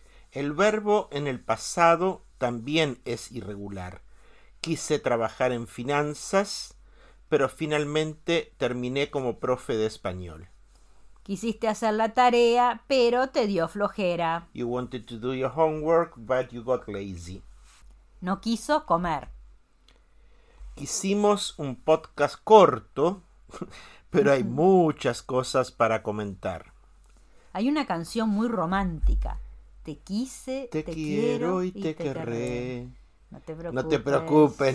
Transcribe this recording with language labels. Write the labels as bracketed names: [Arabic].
[Spanish] El verbo en el pasado también es irregular. Quise trabajar en finanzas, pero finalmente terminé como profe de español. Quisiste hacer la tarea, pero te dio flojera. [English] You wanted to do your homework, but you got lazy. [Spanish] No quiso comer. Hicimos un podcast corto, pero hay muchas cosas para comentar. Hay una canción muy romántica. Te quise, Te te quiero quiero y te te querré. querré. No te No te preocupes, preocupes.